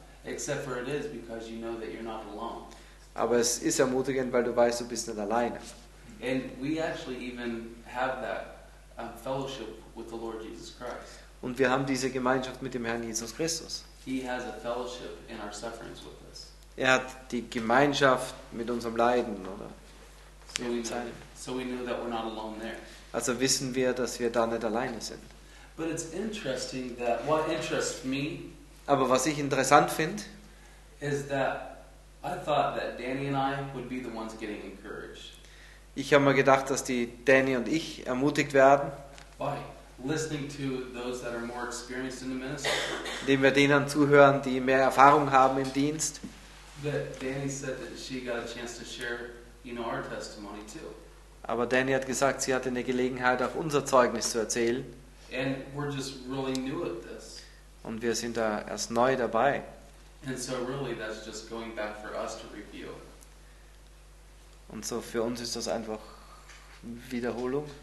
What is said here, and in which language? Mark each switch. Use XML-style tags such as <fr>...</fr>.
<en>Except for it is because you know that you're not alone.</en> <de>Aber es ist ermutigend, weil du weißt, du bist nicht alleine.</de> <en>And we actually even have that fellowship with the Lord Jesus Christ.</en> <de>Und wir haben diese Gemeinschaft mit dem Herrn Jesus Christus.</de> <en>He has a fellowship in our sufferings with us.</en> <de>Er hat die Gemeinschaft mit unserem Leiden, oder?</de> <en>So we know that we're not alone there.</en> <de>Also wissen wir, dass wir da nicht alleine sind.</de> <en>But it's interesting that what interests me.</en> <de>Aber was ich interessant finde,</de> <en>is that I thought that Danny and I would be the ones getting encouraged.</en> <de>Ich habe mal gedacht, dass die Danny und ich ermutigt werden.</de> <en>Why? Listening to those that are more experienced in the ministry.</en> <de>Indem wir denen zuhören, die mehr Erfahrung haben im Dienst.</de> <en>But Danny said that she got a chance to share, you know, our testimony too.</en> <de>Aber Danny hat gesagt, sie hatte eine Gelegenheit, auch unser Zeugnis zu erzählen.</de> <en>And we're just really new at this.</en> <de>Und wir sind da erst neu dabei.</de> <en>And so really that's just going back for us to review.</en> <de>Und so für uns ist das einfach Wiederholung.</de>